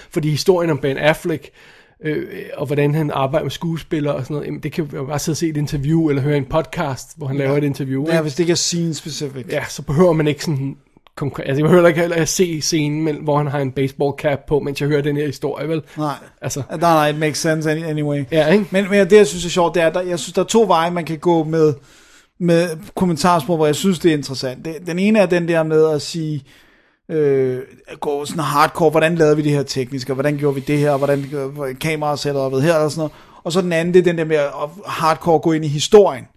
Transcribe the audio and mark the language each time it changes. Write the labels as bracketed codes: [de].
[da] Fordi historien om Ben Affleck, og hvordan han arbejder med skuespillere og sådan noget, det kan jo bare sidde og se et interview, eller høre en podcast, hvor han laver et interview. Ja, hvis det ikke er scene-specific. Ja, så behøver man ikke sådan konkret, altså jeg behøver ikke heller at se scenen, hvor han har en baseball cap på, mens jeg hører den her historie, vel? Nej, altså, [en] it makes sense anyway. [da] Ja, ikke? Men det, jeg synes er sjovt, det er, at jeg synes, der er 2 veje, man kan gå med kommentarspor, hvor jeg synes, det er interessant. Den ene er den der med at sige, gå sådan hardcore, hvordan lavede vi det her teknisk, og hvordan gjorde vi det her, og hvordan kameraet sætter op her, og sådan noget. Og så den anden, det er den der med at hardcore gå ind i historien.